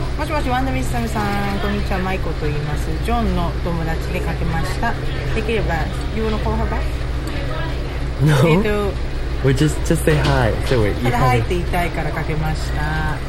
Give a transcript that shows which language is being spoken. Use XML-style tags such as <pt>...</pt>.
<ja>もしもし、ワンダミスサムさん、こんにちは、マイコと言います。ジョンの友達でかけました。できれば、</ja> <en>You wanna call her back? No. We just say hi. So wait,</en> <ja>ただ、hi って言いたいからかけました。</ja>